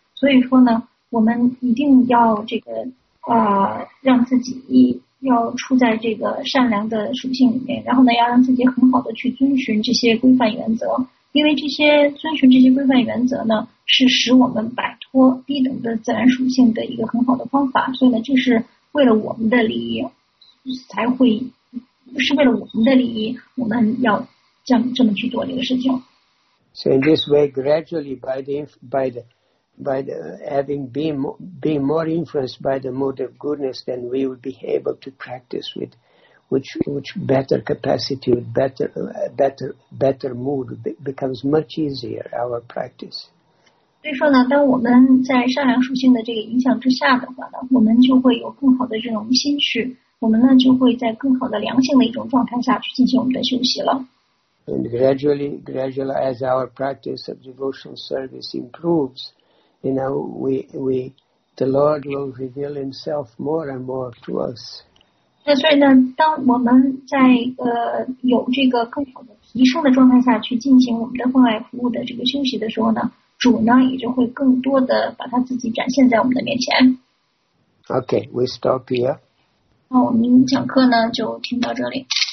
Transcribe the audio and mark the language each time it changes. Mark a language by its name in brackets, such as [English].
[Chinese] 所以说呢，我们一定要这个让自己要处在这个善良的属性里面，然后呢，要让自己很好的去遵循这些规范原则，因为这些遵循这些规范原则呢，是使我们摆脱低等的自然属性的一个很好的方法。所以呢，这是为了我们的利益，才会是为了我们的利益，我们要这么去做这个事情。 [English] So in this way, gradually by having been more influenced by the mode of goodness, then we would be able to practice with which better capacity, with better mood, becomes much easier our practice. [Chinese] 所以说呢，当我们在善良属性的这个影响之下的话呢，我们就会有更好的这种心绪，我们呢就会在更好的良性的一种状态下去进行我们的休息了。 [English] And gradually, as our practice of devotional service improves, you know, we the Lord will reveal Himself more and more to us. [Chinese] 那所以呢，当我们在有这个更好的提升的状态下去进行我们的关爱服务的这个休息的时候呢，主呢也就会更多的把他自己展现在我们的面前。 [English] Okay, we stop here. [Chinese] 那我们讲课呢就听到这里。